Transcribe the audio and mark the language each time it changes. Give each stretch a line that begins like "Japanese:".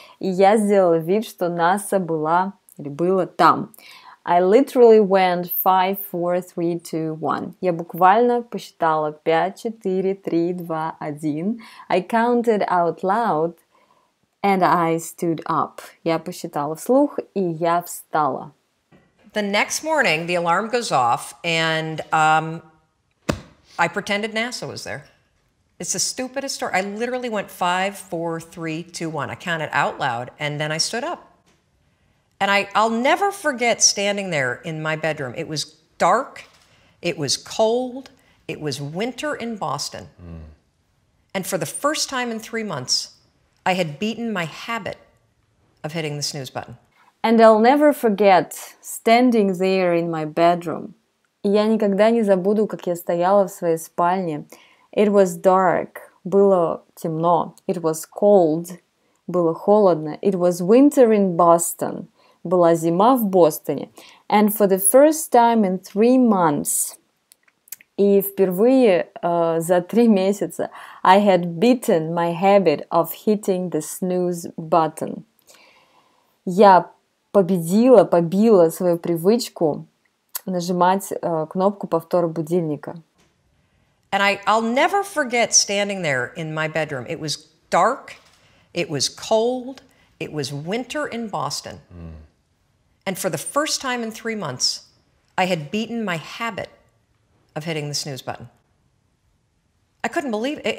Russian: И я сделала вид, что NASA была или было там.
English: I literally went 5, 4, 3, 2, 1.
Russian: Я буквально посчитала 5, 4, 3, 2, 1.
English: I counted out loud. And I stood up.
Russian: Я посчитала вслух, и я встала.
English: The next morning, the alarm goes off, and I pretended NASA was there. It's the stupidest story. I literally went 5, 4, 3, 2, 1. I counted out loud, and then I stood up. And I'll never forget standing there in my bedroom. It was dark. It was cold. It was winter in Boston. And for the first time in 3 months, I had beaten my habit of hitting the snooze button. And I'll never forget standing there in my bedroom.
Russian: Я никогда не забуду, как я стояла в своей спальне.
English: It was dark.
Russian: Было темно.
English: It was cold.
Russian: Было холодно.
English: It was winter in Boston.
Russian: Была зима в Бостоне.
English: And for the first time in 3 months,
Russian: и впервые за 3 месяца
English: I had beaten my habit of hitting the snooze button.
Russian: Я побила свою привычку нажимать кнопку повтора будильника.
English: And I'll never forget standing there in my bedroom. It was dark, it was cold, it was winter in Boston. And for the first time in 3 months, I had beaten my habit of hitting the snooze button. I couldn't believe it.